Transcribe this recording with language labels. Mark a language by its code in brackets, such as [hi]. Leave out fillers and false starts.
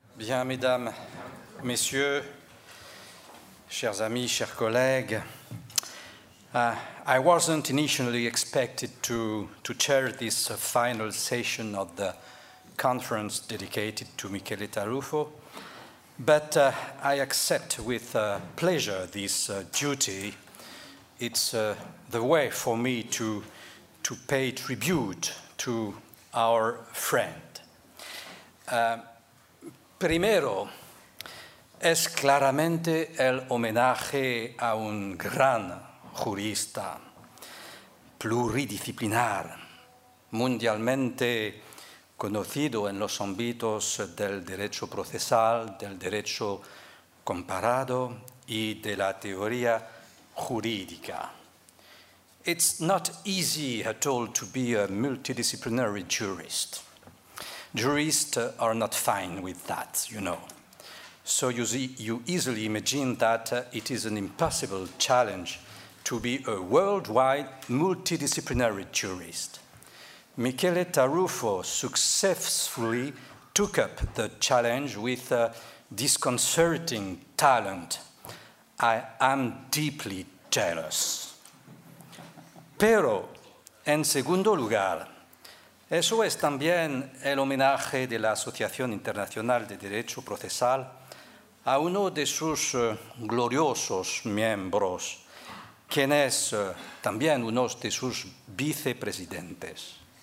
[fr] Bien, mesdames, messieurs, chers amis, chers collègues, [en] I wasn't initially expected to chair this final session of the conference dedicated to Michele Tarrufo, but I accept with pleasure this duty. It's the way for me to pay tribute to our friend. [es] Primero, es claramente el homenaje a un gran jurista pluridisciplinar, mundialmente conocido en los ámbitos del derecho procesal, del derecho comparado y de la teoría jurídica. [en] It's not easy at all to be a multidisciplinary jurist. Jurists are not fine with that, you know. So you see, you easily imagine that it is an impossible challenge to be a worldwide multidisciplinary jurist. Michele Tarrufo successfully took up the challenge with disconcerting talent. I am deeply jealous. [es] Pero, en segundo lugar, eso es también el homenaje de la Asociación Internacional de Derecho Procesal a uno de sus gloriosos miembros, quien es también uno de sus vicepresidentes.